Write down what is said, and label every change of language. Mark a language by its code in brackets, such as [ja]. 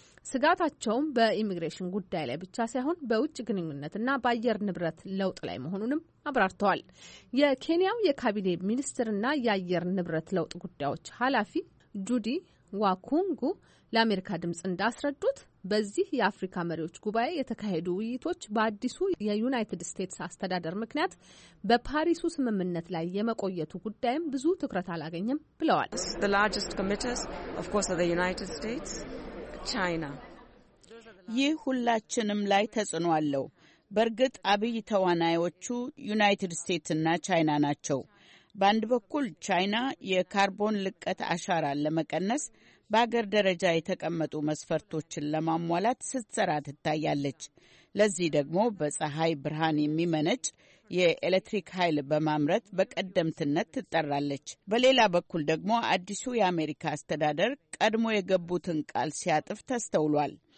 [am] ስጋታቸውም በኢሚግሬሽን ጉዳይ ላይ ብቻ ሳይሆን በውጭ ግንኙነትና በአየር ንብረት ለውጥ ላይ መሆኑንም አብራርተዋል። የኬንያው የካቢኔ ሚኒስትርና የአየር ንብረት ለውጥ ጉዳዮች ኃላፊ ጁዲ ዋኩንጉ ለአሜሪካ ድምጽ እንዳስረዱት በዚህ የአፍሪካ መሪዎች ጉባኤ የተካሄዱ ውይይቶች በአዲሱ የዩናይትድ ስቴትስ አስተዳደር ምክንያት በፓሪሱ ስምምነት ላይ የመቆየቱ ጉዳይም ብዙ ትኩረት አላገኘም ብለዋል። [en] The largest committers of course are the United States. ቻይና [am] ይህ ሁላችንም ላይ ተጽዕኖ አለው። በርግጥ አብይ ተዋናዮቹ ዩናይትድ ስቴትስ እና ቻይና ናቸው። በአንድ በኩል ቻይና የካርቦን ልቀት አሻራን ለመቀነስ በአገር ደረጃ የተቀመጡ መስፈርቶችን ለማሟላት ስትሰራ ትታያለች። ለዚህ ደግሞ በፀሐይ ብርሃን የሚመነጭ የኤሌክትሪክ ኃይል በማምረት በቀደምትነት ትጠራለች። በሌላ በኩል ደግሞ አዲሱ የአሜሪካ አስተዳደር ቀድሞ የገቡትን ቃል ሲያጥፍ ተስተውሏል።